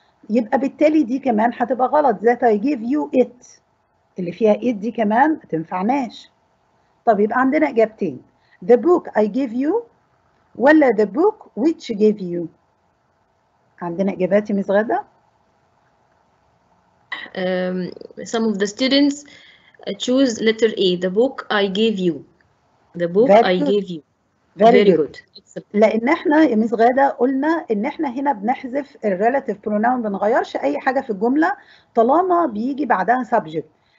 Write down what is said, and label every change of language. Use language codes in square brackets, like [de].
[ar] يبقى بالتالي دي كمان هتبقى غلط، ذات I give you it اللي فيها ايد دي كمان تنفعناش. طب يبقى عندنا اجابتين، [en] the book I give you [ar] ولا [en] the book which gave you. [ar] عندنا اجابات يا ميس غادة. [en] Some of the students choose letter A، the book I give you. The book I give you. Very good. [ar] لان احنا يا ميس غاده قلنا ان احنا هنا بنحذف الريلاتيف بروناون، ما بنغيرش اي حاجه في الجمله طالما بيجي بعدها سبجكت.